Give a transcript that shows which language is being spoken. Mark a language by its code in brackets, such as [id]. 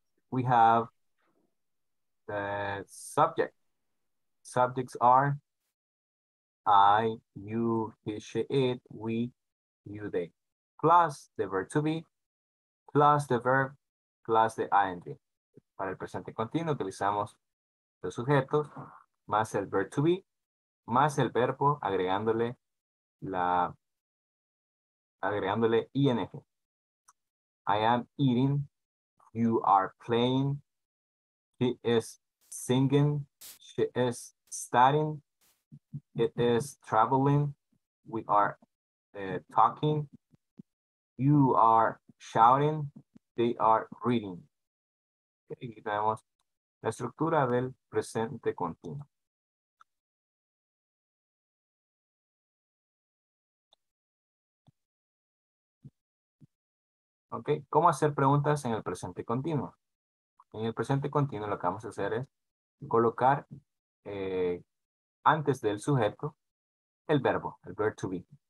[en] We have the subject. Subjects are I, you, he, she, it, we, you, they, plus the verb to be, plus the verb, plus the ing. [es] Para el presente continuo utilizamos los sujetos más el verb to be, más el verbo agregándole la agregándole ing. [en] I am eating, you are playing, he is singing, she is studying, it is traveling, we are talking, you are shouting, they are reading. [es] Okay, aquí tenemos la estructura del presente continuo. Okay, ¿cómo hacer preguntas en el presente continuo? En el presente continuo lo que vamos a hacer es colocar antes del sujeto el verbo to be.